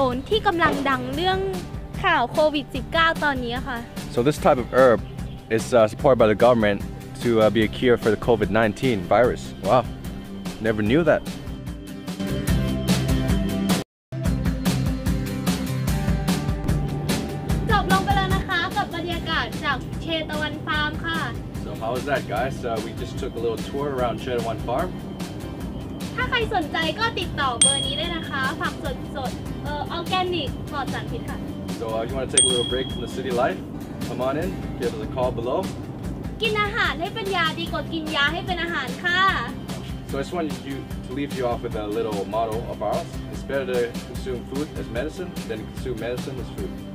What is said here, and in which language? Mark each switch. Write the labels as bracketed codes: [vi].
[th] ที่กำลังดังเรื่องข่าวโควิด19ตอนนี้ค่ะ [en] So this type of herb is supported by the government to be a cure for the COVID-19 virus. Wow. Never knew that. [th] จบลงไปแล้วนะคะกับบรรยากาศจากเชตวันฟาร์มค่ะ [en] So how was that guys? We just took a little tour around เชตวันฟาร์ม [th] ถ้าใครสนใจก็ติดต่อเบอร์นี้ได้นะคะผักสดสดออร์แกนิ กปลอดสาร พิ ษค่ะ [en] So you want to take a little break from the city life? Come on in, give us a call below. [th] กินอาหารให้เป็นยาดีกว่ากินยาให้เป็นอาหารค่ะ [en] So I just wanted you to leave you off with a little motto of ours. It's better to consume food as medicine than consume medicine as food.